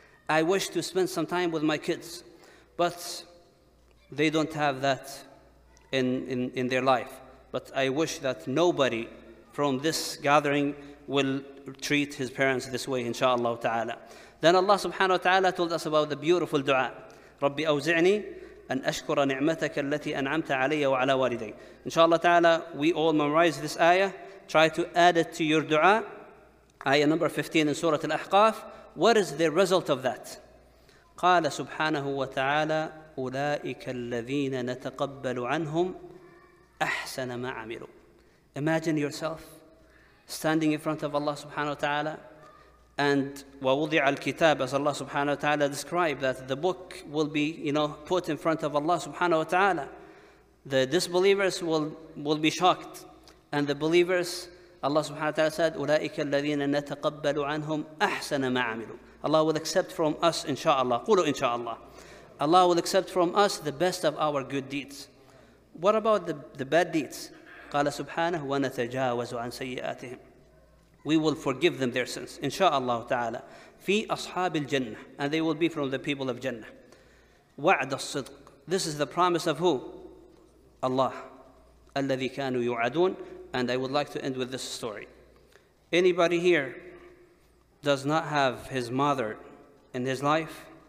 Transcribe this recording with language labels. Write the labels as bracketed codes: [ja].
[en] I wish to spend some time with my kids. But they don't have that in their life. But I wish that nobody from this gathering will treat his parents this way, inshallah ta'ala. Then Allah subhanahu wa ta'ala told us about the beautiful dua. [ar] رَبِّ أَوْزِعْنِي أَنْ أَشْكُرَ نِعْمَتَكَ الَّتِي أَنْعَمْتَ عَلَيَّ وَعَلَى وَالِدَيْ. [en] InshaAllah ta'ala, we all memorize this ayah. Try to add it to your dua. Ayah number 15 in Surah Al-Ahqaf. What is the result of that? [ar] قال سبحانه وتعالى أولئك الذين نتقبل عنهم أحسن ما عملوا. [en] Imagine yourself standing in front of Allah subhanahu wa ta'ala, and [ar] وَوُضِعَ الْكِتَابَ, [en] as Allah subhanahu wa ta'ala described, that the book will be, you know, put in front of Allah subhanahu wa ta'ala. The disbelievers will be shocked, and the believers, Allah subhanahu wa ta'ala said, [ar] أُولَئِكَ الَّذِينَ نَتَقَبَّلُ عَنْهُمْ أَحْسَنَ مَا عَمِلُوا. [en] Allah will accept from us, inshaAllah. [ar] قُلُوا [en] inshaAllah. Allah will accept from us the best of our good deeds. What about the bad deeds? [ar] قال سبحانه ونتجاوز عن سيئاتهم. [en] We will forgive them their sins, inshaAllah ta'ala. [ar] في أصحاب الجنة. [en] And they will be from the people of Jannah. [ar] وعد الصدق. [en] This is the promise of who? [ar] Allah. الذي كانوا يوعدون. [en] And I would like to end with this story. Anybody here does not have his mother in his life?